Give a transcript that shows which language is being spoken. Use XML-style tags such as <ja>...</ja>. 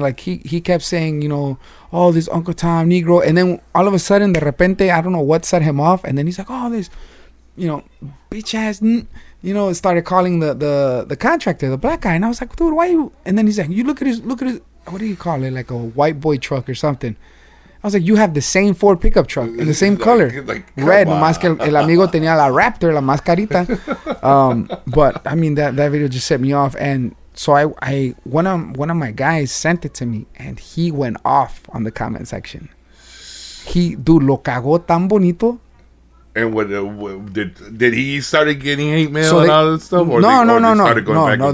<en>Like he kept saying, oh, this Uncle Tom Negro, and then all of a sudden, de repente, I don't know what set him off, and then he's like, oh, this, bitch ass, started calling the contractor, the black guy, and I was like, dude, why are you? And then he's like, look at his, what do you call it, like a white boy truck or something. I was like, you have the same Ford pickup truck in the same color.</en> <es>Like, red, nomás que el amigo tenía la Raptor, la mascarita.</es> <en>But, I mean, that video just set me off. And so one of my guys sent it to me, and he went off on the comment section.</en> <es>He, dude, lo cagó tan bonito.</es> <en>And did he start getting hate mail and all that stuff?</en>